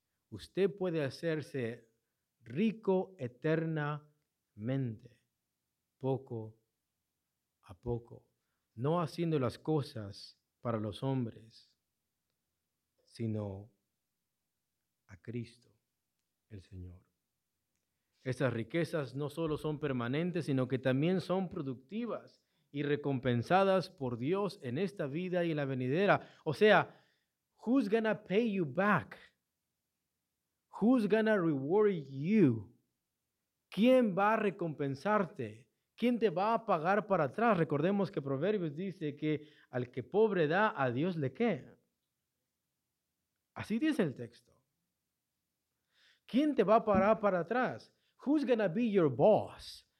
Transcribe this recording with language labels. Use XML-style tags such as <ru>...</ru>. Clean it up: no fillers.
<es>Usted puede hacerse rico eternamente, poco a poco, no haciendo las cosas para los hombres, sino a Cristo, el Señor. Estas riquezas no solo son permanentes, sino que también son productivas y recompensadas por Dios en esta vida y en la venidera.</es> <en>O sea, who's gonna pay you back? Who's gonna reward you?</en> <es>¿Quién va a recompensarte? ¿Quién te va a pagar para atrás? Recordemos que Proverbios dice que al que pobre da, a Dios le qué. Así dice el texto. ¿Quién te va a pagar para atrás?</es> <en>Who's gonna be your boss?</en>